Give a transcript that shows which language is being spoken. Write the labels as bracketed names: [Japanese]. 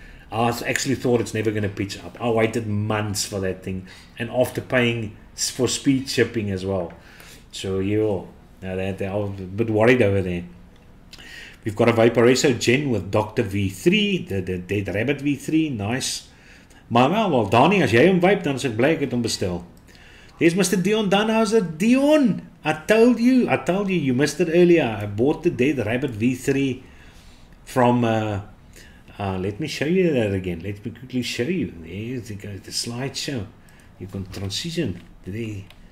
[English] I actually thought it's never going to pitch up. I waited months for that thing, and after paying for speed shipping as well. So I was a bit worried over there. We've got a Vaporesso Gen with Dr. V3, the Dead Rabbit V3, nice. [Afrikaans] Maar wel, Dani, as jy hom vape, dan is ek bly ek het hom bestel. [English] Here's Mr. Dion Dunhauser. Dion, I told you, you missed it earlier. I bought the Dead Rabbit V3 from, let me show you that again. Let me quickly show you. There you go, the slideshow. You can transition there.